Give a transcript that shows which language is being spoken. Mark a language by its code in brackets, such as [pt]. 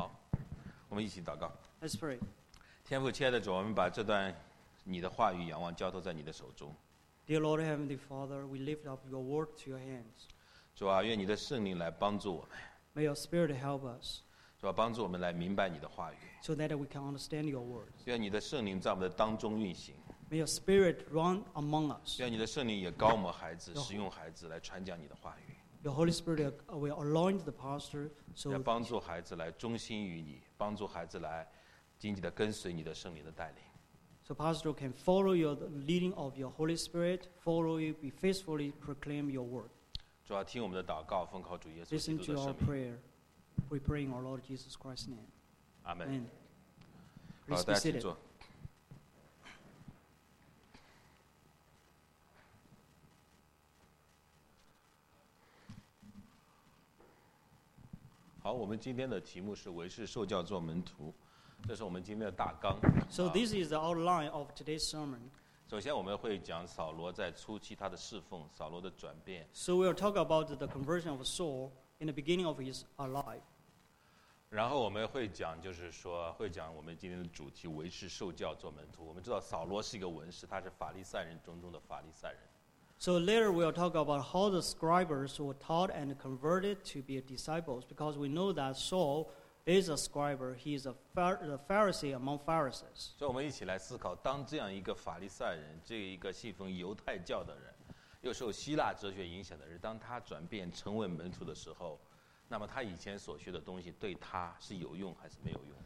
[zh] 凡事敬畏主，蒙圣灵的安慰，人数就增多了。好，我们一起祷告。 [en] Let's pray. [zh] 天父，亲爱的主，我们把这段你的话语仰望，交托在你的手中。 [en] Dear Lord, Heavenly Father, we lift up your word to your hands. [zh] 主啊，愿你的圣灵来帮助我们。 [en] May your Spirit help us. [zh] 主啊，帮助我们来明白你的话语。 [en] So that we can understand your word. [zh] 愿你的圣灵在我们的当中运行。 [en] May your spirit run among us. [zh] 愿你的圣灵也膏抹孩子，使用孩子来传讲你的话语。 [en] Your Holy Spirit will anoint the pastor. [zh] 要帮助孩子来忠心于你，帮助孩子来紧紧地跟随你的圣灵的带领。 [en] So pastor can follow the leading of your Holy Spirit, follow you, be faithfully proclaim your word. [zh] 主要听我们的祷告，奉靠主耶稣基督的圣名。 [en] Listen to our prayer. We pray in our Lord Jesus Christ's name. Amen. Please be seated. [zh] 好，我们今天的题目是为师受教做门徒，这是我们今天的大纲。 [en] So this is the outline of today's sermon. [zh] 首先我们会讲扫罗在初期他的侍奉，扫罗的转变。 [en] So we'll talk about the conversion of Saul in the beginning of his life. [zh] 然后我们会讲，就是说会讲我们今天的主题，为师受教做门徒。我们知道扫罗是一个文士，他是法利赛人中中的法利赛人。 [en] So later we'll talk about how the scribes were taught and converted to be disciples, because we know that Saul is a scribe, he is a Pharisee among Pharisees. So [zh] 我们一起来思考，当这样一个法利赛人，这一个信奉犹太教的人，又受希腊哲学影响的人，当他转变成为门徒的时候，那么他以前所学的东西对他是有用还是没有用？